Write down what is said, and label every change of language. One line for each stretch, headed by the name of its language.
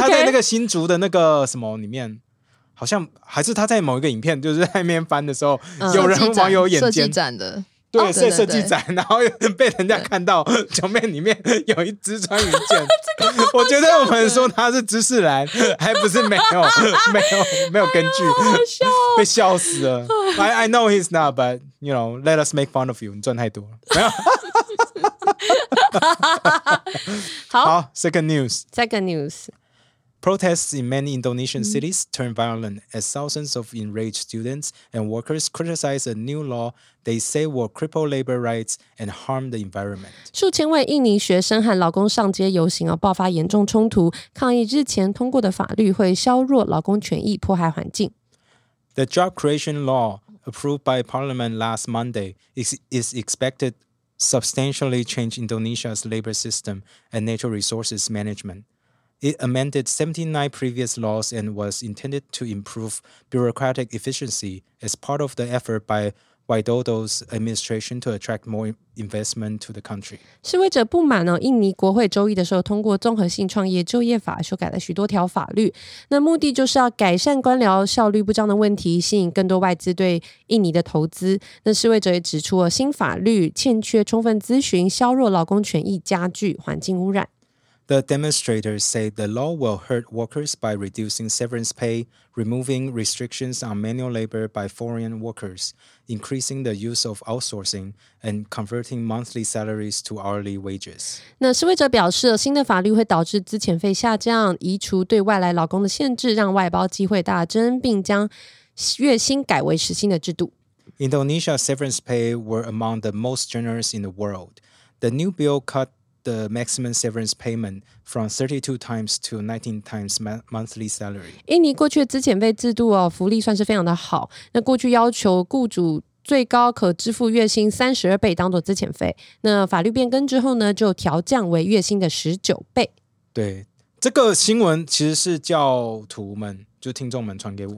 Chinese: 他在那个新竹的那个什么里面，好像还是他在某一个影片，就是在那边翻的时候，有人网友眼尖展的，对，设设计展，然后被人家看到九妹里面有一只穿云箭，我觉得我们说他是知识男，还不是没有没有没有根据，被笑死了。
English: I know he's not, but you know, let us make fun of you.
Chinese: 你赚太多了，没有。好, 好
English: ，Second news. Second news. Protests in many Indonesian cities turned violent as thousands of enraged students and workers criticize a new law. They say will cripple labor rights and harm the environment.
Chinese: 数千位印尼学生和劳工上街游行而爆发严重冲突，抗议日前通过的法律会削弱劳工权益，迫害环境。
English: The job creation law approved by Parliament last Monday is expected substantially change Indonesia's labor system and natural resources management. It amended 79 previous laws and was intended to improve bureaucratic efficiency as part of the effort by. Widodo's administration to attract more investment to the country.
Chinese: 示威者不满哦，印尼国会周一的时候通过综合性创业就业法，修改了许多条法律。那目的就是要改善官僚效率不彰的问题，吸引更多外资对印尼的投资。那示威者也指出哦，新法律欠缺充分咨询，削弱劳工权益，加剧环境污染。
English: The demonstrators say the law will hurt workers by reducing severance pay, removing restrictions on manual labor by foreign workers, increasing the use of outsourcing, and converting monthly salaries to hourly wages.
Chinese: 那示威者表示，新的法律会导致资遣费下降，移除对外来劳工的限制，让外包机会大增，并将月薪改为时薪的制度。
English: Indonesia's severance pay were among the most generous in the world. The new bill cut. The maximum severance payment from 32 times to 19 times monthly salary.
Chinese: 印尼过去的资遣费制度哦，福利算是非常的好。那过去要求雇主最高可支付月薪32倍当做资遣费。那法律变更之后呢，就调降为月薪的19倍。对，这个新闻其实是教徒们，就听众们传给我